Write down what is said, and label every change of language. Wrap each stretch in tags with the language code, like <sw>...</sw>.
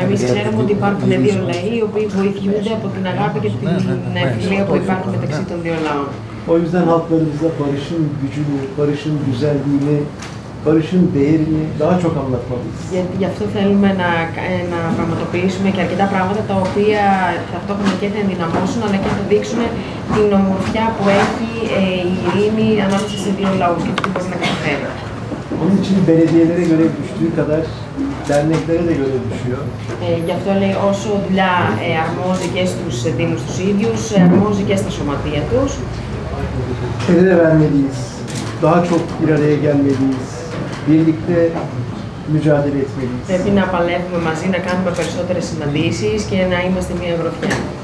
<el>εμείς ξέρουμε ότι υπάρχουν δύο λαοί οι οποίοι βοηθούνται από την αγάπη και την φιλία που υπάρχουν μεταξύ των δύο λαών.</el> <tr>O yüzden halklarımızda barışın gücünü, barışın güzelliğini, barışın değerini daha çok anlatmalıyız.</tr> <el>Γι' αυτό θέλουμε να πραγματοποιήσουμε και αρκετά πράγματα τα οποία ταυτόχρονα και θα ενδυναμώσουν αλλά και θα δείξουν την ομορφιά που έχει η ειρήνη ανάμεσα σε δύο λαού και τι μπορεί να καταφέρει.</el> <tr>Onun için belediyelere görev düştüğü kadar derneklere de görev düşüyor.</tr> <el>Γι' αυτό λέει όσο δουλειά αρμόζει και στους δήμους τους ίδιους, αρμόζει και στα σωματεία τους.</el> <tr>Kere vermeliyiz, daha çok bir araya gelmeliyiz, birlikte mücadele etmeliyiz.</tr> <el>Πρέπει να παλεύουμε μαζί, να κάνουμε περισσότερες συναντήσεις και να είμαστε μια γροθιά.</el>